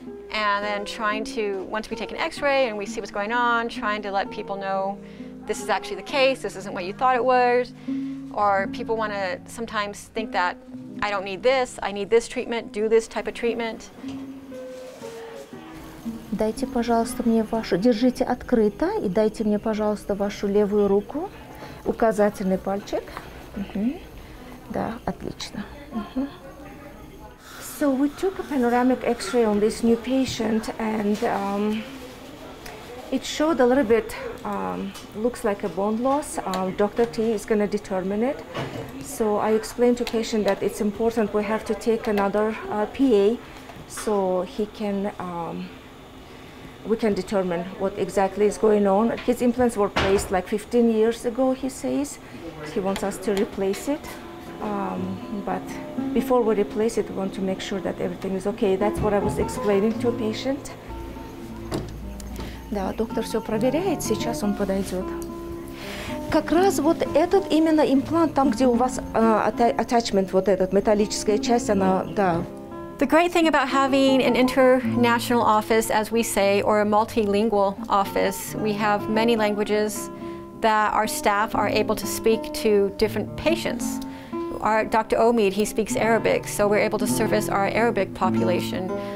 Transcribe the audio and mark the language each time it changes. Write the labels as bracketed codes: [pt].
[en] And then trying to, once we take an x-ray and we see what's going on, trying to let people know this is actually the case, this isn't what you thought it was. Or people want to sometimes think that I don't need this, I need this treatment, do this type of treatment. [ru] Дайте, пожалуйста, мне вашу, держите открыто и дайте мне, пожалуйста, вашу левую руку, указательный пальчик. Да, отлично. [en] So we took a panoramic x-ray on this new patient, and it showed a little bit, looks like a bone loss. Dr. T is going to determine it. So I explained to the patient that it's important we have to take another PA so he can, we can determine what exactly is going on. His implants were placed like 15 years ago, he says. He wants us to replace it. But before we replace it, we want to make sure that everything is okay. That's what I was explaining to a patient. [ru] Да, доктор все проверяет, сейчас он подойдет. Как раз вот этот именно имплант, там, где у вас attachment, вот эта металлическая часть, она, да. [en] The great thing about having an international office, as we say, or a multilingual office, we have many languages that our staff are able to speak to different patients. Our Dr. Omid, he speaks Arabic, so we're able to service our Arabic population.